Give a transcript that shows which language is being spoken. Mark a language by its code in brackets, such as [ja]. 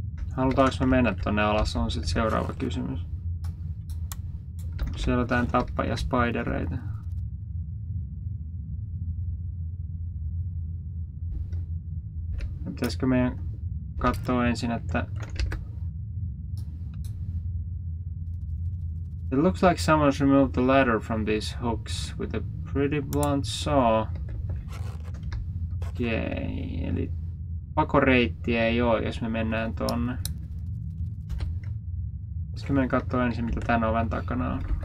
[fi] Halutaanko me mennä tonne alas, on sit seuraava kysymys. Siellä on jotain tappajia spidereita. Pitäisikö meidän katsoa ensin, että... [en] It looks like someone's removed the ladder from these hooks with a pretty blunt saw. [fi] Okei, eli pakoreittiä ei oo, jos me mennään tonne. Pitäisikö meidän katsoa ensin, mitä tän oven takana on?